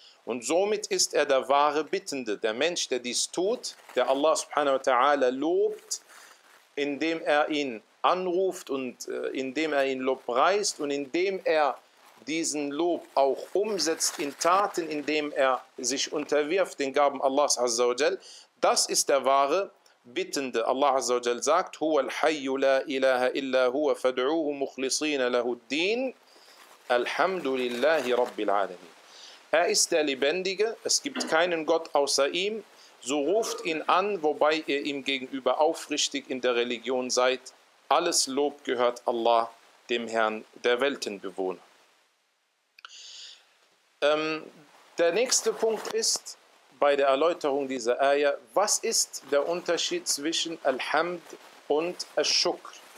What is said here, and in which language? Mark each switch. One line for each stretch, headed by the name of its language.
German: Und somit ist er der wahre Bittende, der Mensch, der dies tut, der Allah subhanahu wa ta'ala lobt, indem er ihn anruft und indem er ihn lobpreist und indem er diesen Lob auch umsetzt in Taten, indem er sich unterwirft den Gaben Allahs Azza wa Jal, das ist der wahre Bittende. Allah Azza wa Jal sagt,
Arabic: هو الحي لا إله إلا هو فدعوه مخلصين له الدين الحمد لله رب العالمين.
German: Er ist der Lebendige, es gibt keinen Gott außer ihm, so ruft ihn an, wobei ihr ihm gegenüber aufrichtig in der Religion seid. Alles Lob gehört Allah, dem Herrn der Weltenbewohner. Der nächste Punkt ist, bei der Erläuterung dieser Ayah, was ist der Unterschied zwischen Alhamd und Ash-Shukr?